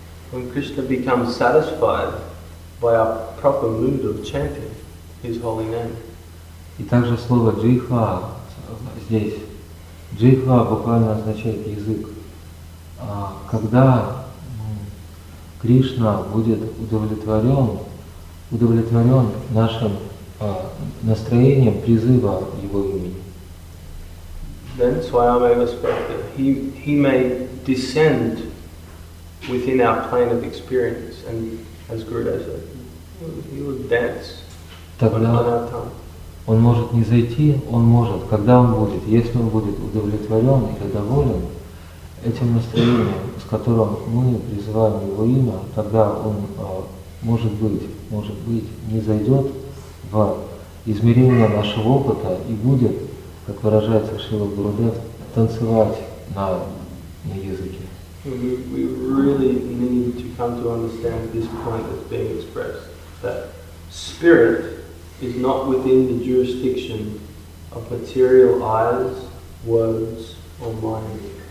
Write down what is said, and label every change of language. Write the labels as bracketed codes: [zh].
[en] When Krishna becomes satisfied by our proper mood of chanting his holy name. [ru] И также слово jiva здесь. Jiva буквально означает язык. Когда Кришна будет удовлетворен нашим настроением призыва его имени. [en] Then Swayameva spoke that he may descend within our plane of experience, and as Gurudev said, he will dance on our tongue. [ru] Он может не зайти, он может, когда он будет, если он будет удовлетворен или доволен этим настроением, с которым мы призываем его имя, тогда он может быть, не зайдет в измерение нашего опыта и будет, как выражается Шрила Гурудев, танцевать на языке. [en] We really need to come to understand this point that's being expressed, that spirit is not within the jurisdiction of material eyes, words or mind.